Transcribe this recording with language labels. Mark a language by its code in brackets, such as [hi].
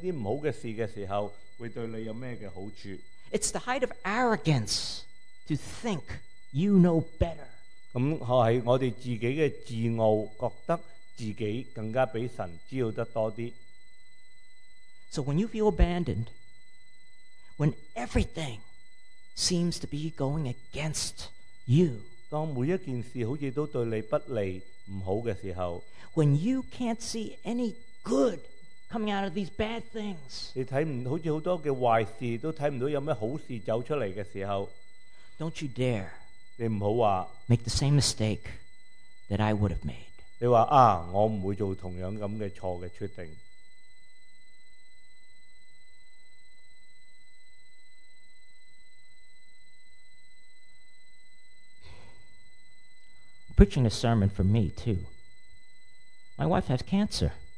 [zh] 很多时候可能你真的明白为什么一些不好的事的时候会对你有什么好处。 [en] It's the height of arrogance to think you know better. [zh] 是我们自己的自傲觉得自己更加比神知道得多些。 [en] So when you feel abandoned, when everything seems to be going against you, [zh] 当每一件事好像都对你不利, 不好的时候, [en] when you can't see any good coming out of these bad things, [zh] 你看不到好像很多的坏事都看不到有什么好事走出来的时候, [en] don't you dare [zh] 你不要说, [en] make the same mistake that I would have made. [zh] 你说我不会做同样的错的决定。 [en] Preaching a sermon for me too. My wife has cancer.